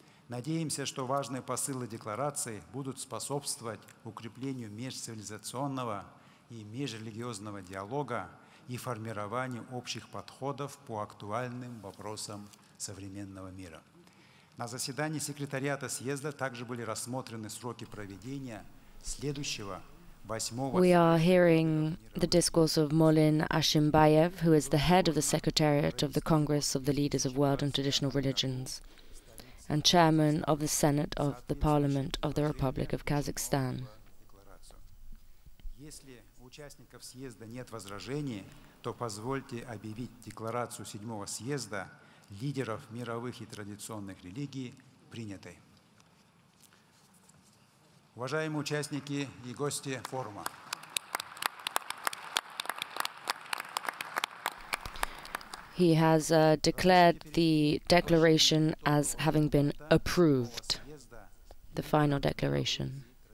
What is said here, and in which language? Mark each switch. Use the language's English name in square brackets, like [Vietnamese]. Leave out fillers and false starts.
[Russian] Надеемся, что важные посылы декларации будут способствовать укреплению межцивилизационного и межрелигиозного диалога и формированию общих подходов по актуальным вопросам современного мира. На заседании секретариата съезда также были рассмотрены сроки проведения следующего. [English] We are hearing the discourse of Molin Ashimbayev, who is the head of the Secretariat of the Congress of the Leaders of World and Traditional Religions and Chairman of the Senate of the Parliament of the Republic of Kazakhstan. [Russian] Если у участников съезда нет возражений, то позвольте объявить декларацию 7-го съезда лидеров мировых и традиционных религий принятой. Уважаемые участники и гости форума. [English] He has declared the declaration as having been approved, the final declaration.